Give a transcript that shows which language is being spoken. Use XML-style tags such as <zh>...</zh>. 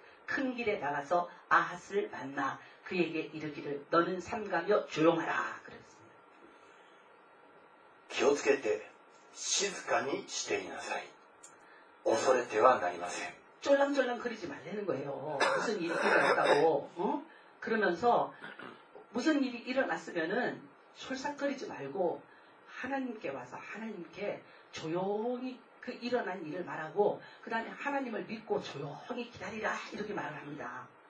<ko>큰 길에 나가서 아하스를 만나 그에게 이르기를 너는 삼가며 조용하라 그랬습니다.</ko> <ja>気をつけて 静かに していなさい 恐れてはなりません</ja> <ko>쫄랑쫄랑 그러지 말라는 거예요. 무슨 일이 일어났다고 어? 그러면서 무슨 일이 일어났으면은 솔싹거리지 말고 하나님께 와서 하나님께 조용히 그 일어난 일을 말하고 그 다음에 하나님을 믿고 조용히 기다리라 이렇게 말을 합니다.</ko>